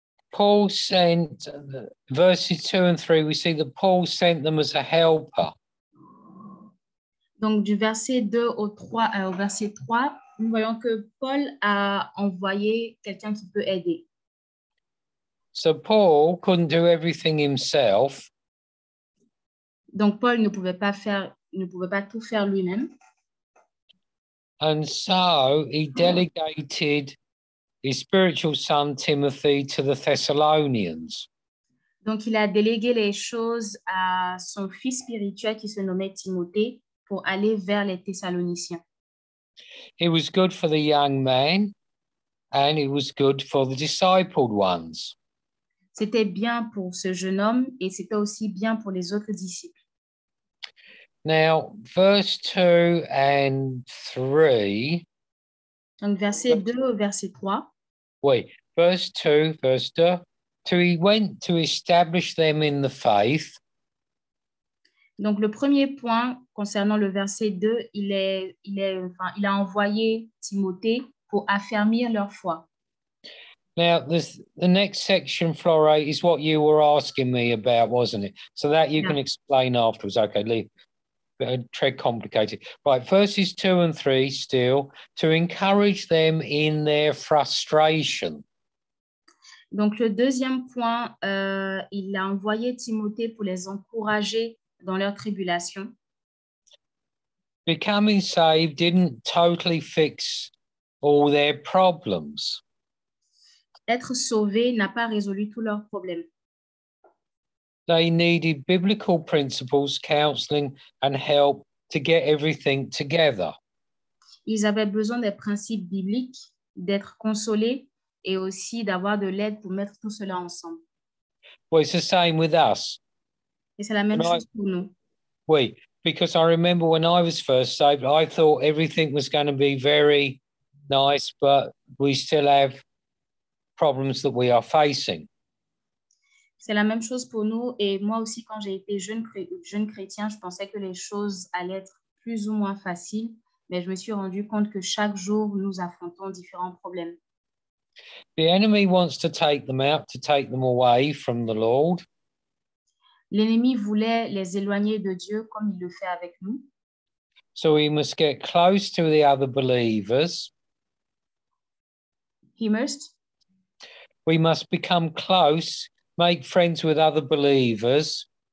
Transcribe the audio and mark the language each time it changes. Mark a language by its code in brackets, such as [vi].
[en] Paul sent, verses 2 and 3, we see that Paul sent them as a helper. [fr] Donc, du verset 2 au 3, au verset 3, nous voyons que Paul a envoyé quelqu'un qui peut aider. [en] So, Paul couldn't do everything himself. [fr] Donc, Paul ne pouvait pas tout faire lui-même. [en] And so, he delegated... his spiritual son Timothy to the Thessalonians. [fr] Donc il a délégué les choses à son fils spirituel qui se nommait Timothée pour aller vers les Thessaloniciens. [en] He was good for the young man and he was good for the discipled ones. [fr] C'était bien pour ce jeune homme et c'était aussi bien pour les autres disciples. [en] Now, verse 2 and 3. [fr] Donc, verset 2 au verset 3. [en] Oui, verse 2, verse 2. So he went to establish them in the faith. [fr] Donc, le premier point concernant le verset 2, il a envoyé Timothée pour affermir leur foi. [en] Now, the next section, Flora, is what you were asking me about, wasn't it? So that you can explain afterwards. Okay, leave. Très complicated. Right, verses 2 and 3 still, to encourage them in their frustration. [fr] Donc, le deuxième point, il a envoyé Timothée pour les encourager dans leur tribulation. [en] Becoming saved didn't totally fix all their problems. [fr] Être sauvé n'a pas résolu tous leurs problèmes. [en] They needed biblical principles, counseling, and help to get everything together. [fr] Ils avaient besoin des principes bibliques, d'être consolés et aussi d'avoir de l'aide pour mettre tout cela ensemble. [en] Well, it's the same with us. [fr] Et c'est la même chose pour nous. [en] Oui, because I remember when I was first saved, I thought everything was going to be very nice, but we still have problems that we are facing. [fr] C'est la même chose pour nous. Et moi aussi, quand j'ai été jeune chrétien, je pensais que les choses allaient être plus ou moins faciles, mais je me suis rendu compte que chaque jour, nous affrontons différents problèmes. [en] The enemy wants to take them out, to take them away from the Lord. [fr] L'ennemi voulait les éloigner de Dieu comme il le fait avec nous. [en] So he must get close to the other believers. He must. We must become close, make friends with other believers.